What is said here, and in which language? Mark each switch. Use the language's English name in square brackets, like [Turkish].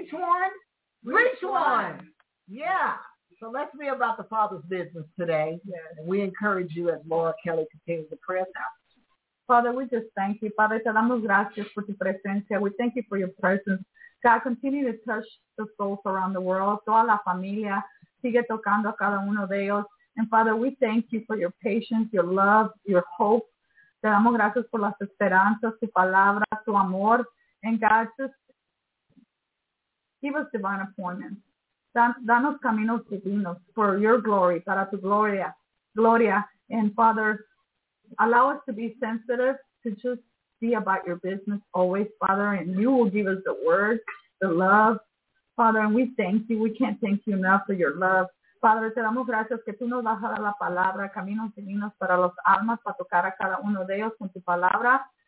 [English] Each one, reach one. Yeah. So let's be about the Father's business today. Yes. And we encourage you as Laura Kelly continues to pray about. Father, we just thank you. Father, [Spanish] te damos gracias por tu presencia. [English] We thank you for your presence. God, continue to touch the souls around the world. [Spanish] Toda la familia sigue tocando a cada uno de ellos. [English] And Father, we thank you for your patience, your love, your hope. [Spanish] Te damos gracias por las esperanzas, tu palabra, tu amor. [English] And God, just give us divine appointments. [Spanish] Danos caminos divinos [English] for your glory, [Spanish] para tu gloria. Gloria. [English] And Father, allow us to be sensitive, to just be about your business always, Father, and you will give us the word, the love, Father, and we thank you. We can't thank you enough for your love. [Spanish] Father, te damos gracias que tú nos vas a dar la palabra, caminos divinos para los almas, para tocar a cada uno de ellos con tu palabra.